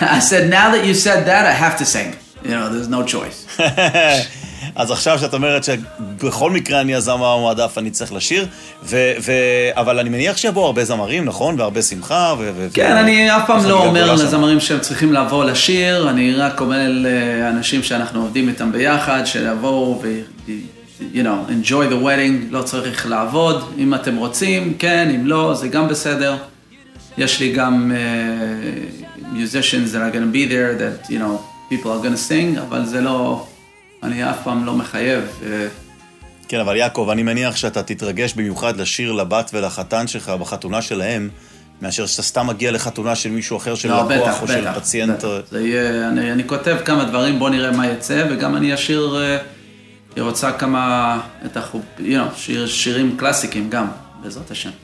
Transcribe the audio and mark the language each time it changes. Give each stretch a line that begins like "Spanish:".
English: I said, now that you said that, I have to sing. You know, there's no choice.
Hebrew: אז עכשיו שאת אומרת שבכל מקרה אני הזמר המועדף, אני צריך לשיר, אבל אני מניח שיבואו הרבה זמרים, נכון? והרבה שמחה. כן, אני אף פעם לא אומר לזמרים שהם צריכים לבוא לשיר, אני רק אומר לאנשים שאנחנו עובדים איתם ביחד, שלבואו ו...
English: you know, enjoy the wedding,
Hebrew: לא צריך לעבוד, אם אתם רוצים, כן, אם לא, זה גם בסדר. יש לי גם
English: musicians that are going to be there, that, you know, people are going to sing,
Hebrew: אבל זה לא... אני אף פעם לא מחייב. כן, אבל יעקב, אני מניח שאתה תתרגש במיוחד לשיר לבת ולחתן שלך בחתונה שלהם, מאשר שאתה סתם מגיע לחתונה של מישהו אחר, של לקוח או של פציינט. זה יהיה, אני כותב כמה דברים, בוא נראה מה יצא, וגם אני אשיר, היא רוצה כמה, את החוב,
English: you know,
Hebrew: שירים קלאסיקים גם, בעזרת השם.